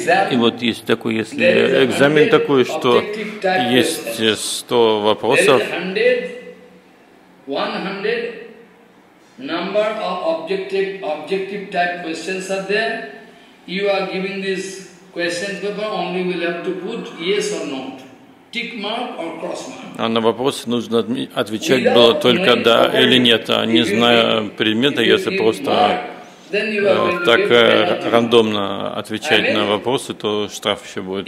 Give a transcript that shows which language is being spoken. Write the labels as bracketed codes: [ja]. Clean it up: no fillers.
[ru] И вот есть такой, если экзамен такой, что есть 100 вопросов. [en] 100 number of objective type questions are there. You are giving this question paper, only will have to put yes or no, tick mark or cross mark. [ru] А на вопрос нужно отвечать было только да или нет, а не зная предмета, если просто так рандомно отвечать на вопросы, то штраф еще будет.